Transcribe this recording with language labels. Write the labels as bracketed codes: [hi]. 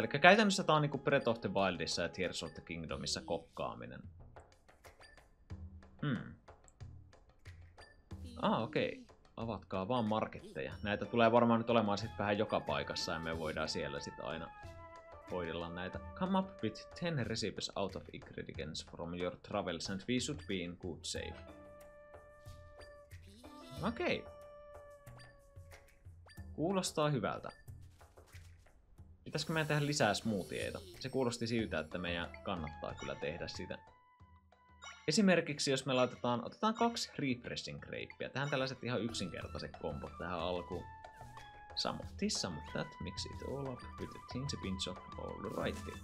[fi] Eli käytännössä tää on niinku Breath of the Wildissa ja Tears of the Kingdomissa kokkaaminen. Okei. Avatkaa vaan marketteja. Näitä tulee varmaan nyt olemaan sitten vähän joka paikassa ja me voidaan siellä sitten aina hoidella näitä. [en] Come up with 10 recipes out of ingredients from your travels and we should be in good shape. [fi] Okei. Kuulostaa hyvältä. Pitäisikö meidän tehdä lisää smoothieita? Se kuulosti siltä, että meidän kannattaa kyllä tehdä sitä. Esimerkiksi jos me laitetaan, otetaan 2 refreshing grapeia. Tähän tällaiset ihan yksinkertaiset kompot tähän alkuun. [en] Some of this, some of that, mix it all up with a tiny pinch of all right.